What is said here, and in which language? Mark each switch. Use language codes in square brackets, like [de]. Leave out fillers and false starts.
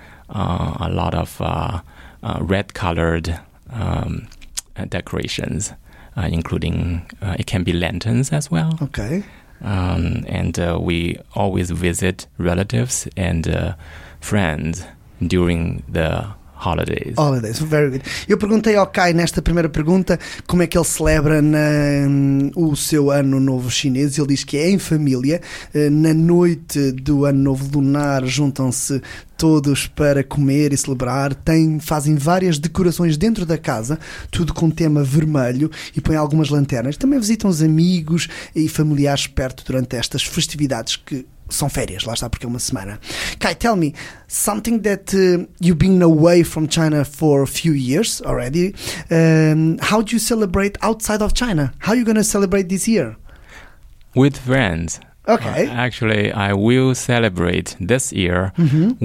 [en] A lot of red-colored decorations, including it can be lanterns as well. Okay. We always visit relatives and friends during the holidays. Holidays, very good. [pt] Eu perguntei ao Kai nesta primeira pergunta como é que ele celebra o seu ano novo chinês. Ele diz que é em família. Na noite do ano novo lunar juntam-se todos para comer e celebrar. Fazem várias decorações dentro da casa, tudo com tema vermelho, e põem algumas lanternas. Também visitam os amigos e familiares perto durante estas festividades que são férias, lá está, porque é uma semana. [en] Kai, tell me, something that you've been away from China for a few years already, how do you celebrate outside of China? How are you going to celebrate this year? With friends. Okay. Actually, I will celebrate this year mm-hmm.